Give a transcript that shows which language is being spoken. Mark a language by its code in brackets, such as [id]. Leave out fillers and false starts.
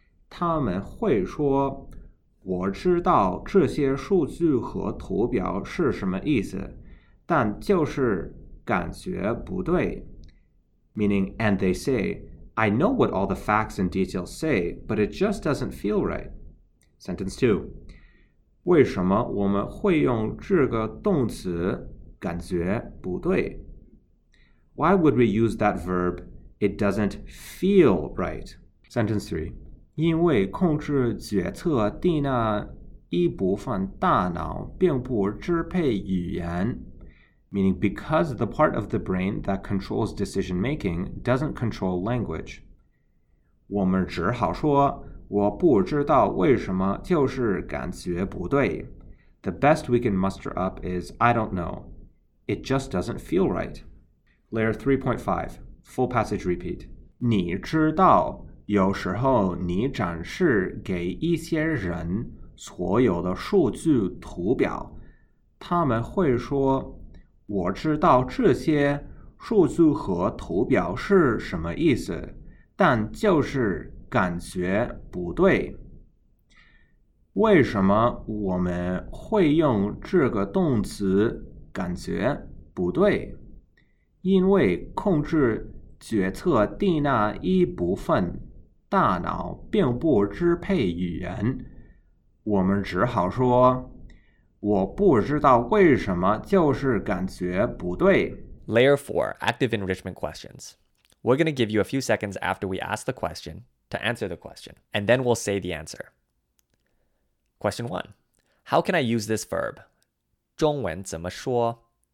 [zh] 他们会说我知道这些数据和图表是什么意思但就是感觉不对 [en] meaning and they say, I know what all the facts and details say, but it just doesn't feel right. Sentence 2. [zh] 为什么我们会用这个动词感觉不对? [en] Why would we use that verb, it doesn't feel right? Sentence 3. [zh] 因为控制决策的那一部分大脑并不支配语言 [en] meaning because the part of the brain that controls decision making doesn't control language. [zh] 我们只好说我不知道为什么就是感觉不对。 [en] The best we can muster up is, I don't know. It just doesn't feel right. Layer 3.5, full passage repeat. [zh] 你知道有时候你展示给一些人所有的数据图表，他们会说，我知道这些数据和图表是什么意思，但就是感觉不对。为什么我们会用这个动词感觉不对？因为控制决策的那一部分大脑并不支配语言，我们只好说，我不知道为什么就是感觉不对。 [en] Layer 4, active enrichment questions. We're going to give you a few seconds after we ask the question to answer the question, and then we'll say the answer. Question 1. How can I use this verb? [zh] 中文怎么说?